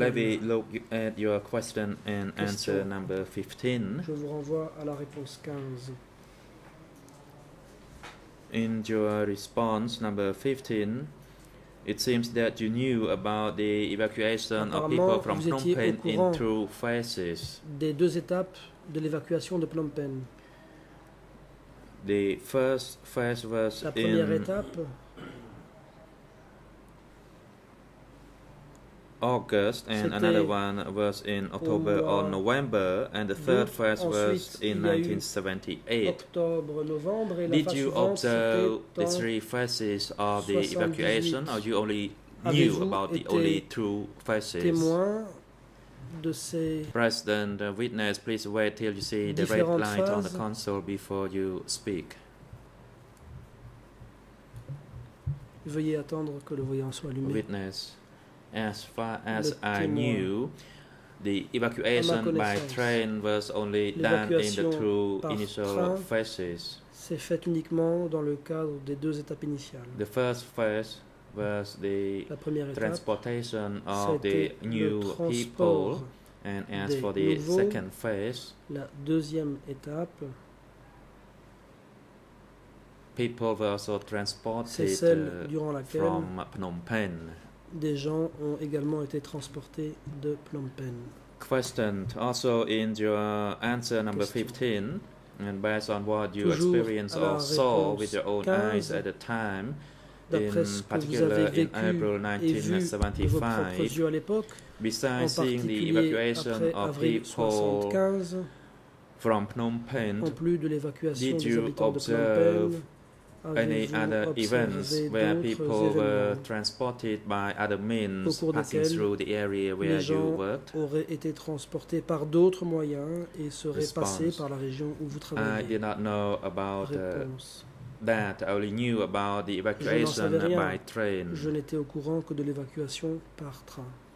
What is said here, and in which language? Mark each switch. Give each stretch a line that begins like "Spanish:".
English: Let me look at your question and answer number 15.
French: Je vous renvoie à la réponse 15.
English: In your response number 15, it seems that you knew about the evacuation of people from Phnom Penh in two phases.
French: Des deux étapes de l'évacuation de Phnom Penh.
English: The first phase was
French: in étape,
English: August, and another one was in October or November, and the third phase was in 1978.
French: Octobre, novembre, et
English: did
French: la
English: you observe the three phases of the evacuation, or you only knew about the only two phases?
French: De ces
English: President, witness, please wait till you see the red light on the console before you speak.
French: Veuillez attendre que le voyant soit allumé.
English: Witness, as far as I knew, the evacuation by train was only done in the two initial phases.
French: C'est fait uniquement dans le cadre des deux étapes initiales.
English: The first phase was the transportation of the new people, and as for the second phase,
French: la deuxième étape,
English: people were also transported from Phnom Penh.
French: Des gens ont également été transportés de Phnom Penh. Question.
English: Also in your answer number 15, and based on what you experienced or saw with your own eyes at the time, in particular in April 1975, besides seeing the evacuation of people from Phnom Penh,
French: en plus de l'évacuation
English: did you observe any other events where people were transported by other means passing through the area where you worked?
French: Auraient été transportés par d'autres moyens et seraient passés par la région où vous travaillez.
English: I did not know about that. I only knew about the evacuation by train.
French: Je n'étais au courant que de l'évacuation par train.